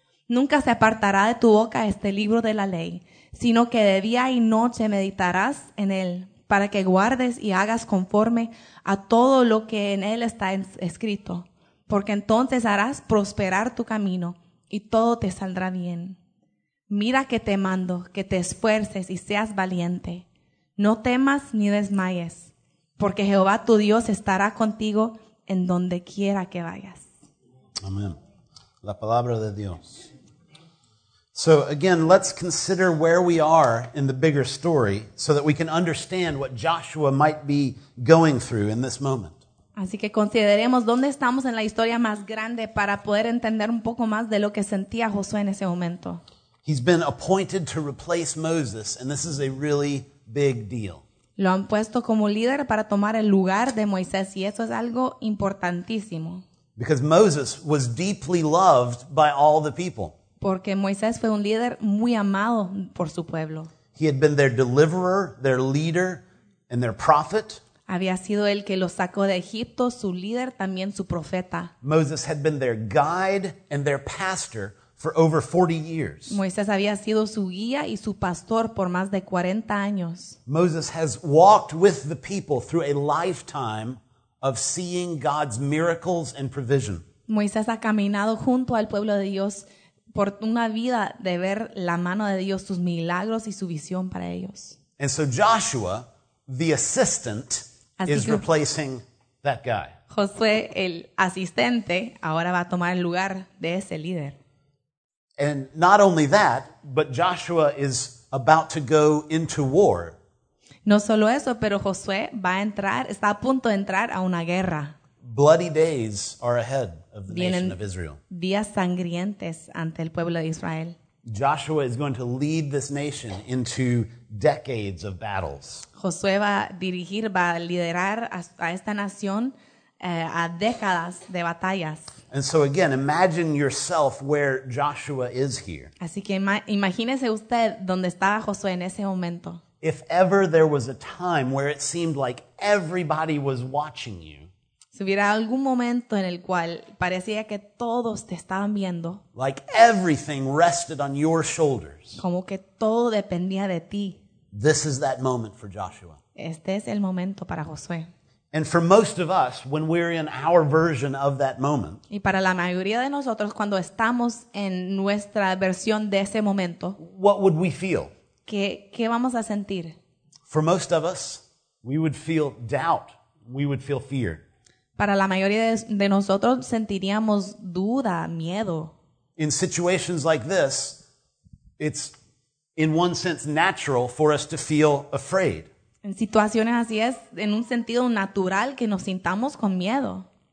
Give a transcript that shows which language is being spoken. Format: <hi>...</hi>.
<es>Nunca se apartará de tu boca este libro de la ley, sino que de día y noche meditarás en él, para que guardes y hagas conforme a todo lo que en él está escrito, porque entonces harás prosperar tu camino y todo te saldrá bien. Mira que te mando, que te esfuerces y seas valiente. No temas ni desmayes, porque Jehová tu Dios estará contigo en donde quiera que vayas. Amén. La palabra de Dios.</es> <en>So again, let's consider where we are in the bigger story so that we can understand what Joshua might be going through in this moment.</en> <es>Así que consideremos dónde estamos en la historia más grande para poder entender un poco más de lo que sentía Josué en ese momento.</es> <en>He's been appointed to replace Moses, and this is a really big deal.</en> <es>Lo han puesto como líder para tomar el lugar de Moisés y eso es algo importantísimo.</es> <en>Because Moses was deeply loved by all the people.</en> <es>Porque Moisés fue un líder muy amado por su pueblo.</es> <en>He had been their deliverer, their leader, and their prophet.</en> <es>Había sido el que los sacó de Egipto, su líder, también su profeta.</es> <en>Moses had been their guide and their pastor for over 40 years.</en> <es>Moisés había sido su guía y su pastor por más de 40 años.</es> <en>Moses has walked with the people through a lifetime of seeing God's miracles and provision.</en> <es>Moisés ha caminado junto al pueblo de Dios por una vida de ver la mano de Dios, sus milagros y su visión para ellos.</es> <en>And so Joshua, the assistant, is replacing that guy.</en> <es>Josué, el asistente, ahora va a tomar el lugar de ese líder.</es> <en>And not only that, but Joshua is about to go into war.</en> <es>No solo eso, pero Josué va a entrar, está a punto de entrar a una guerra.</es> <en>Bloody days are ahead of the nation of Israel.</en> <es>Vienen días sangrientes ante el pueblo de Israel.</es> <en>Joshua is going to lead this nation into decades of battles.</en> <es>Josué va a dirigir, va a liderar a esta nación a décadas de batallas.</es> <en>And so again, imagine yourself where Joshua is here.</en> <es>Así que imagínese usted dónde estaba Josué en ese momento.</es> <en>If ever there was a time where it seemed like everybody was watching you,</en> <es>si hubiera algún momento en el cual parecía que todos te estaban viendo,</es> <en>like everything rested on your shoulders,</en> <es>como que todo dependía de ti,</es> <en>this is that moment for Joshua.</en> <es>Este es el momento para Josué.</es> <en>And for most of us, when we're in our version of that moment,</en> <es>y para la mayoría de nosotros, cuando estamos en nuestra versión de ese momento,</es> <en>what would we feel?</en> <es>¿Qué vamos a sentir?</es> <en>For most of us, we would feel doubt. We would feel fear.</en> <es>Para la mayoría de nosotros sentiríamos duda, miedo.</es> <en>In situations like this, it's in one sense natural for us to feel afraid.</en> <es>En situaciones así es, en un sentido natural que nos sintamos con miedo.</es>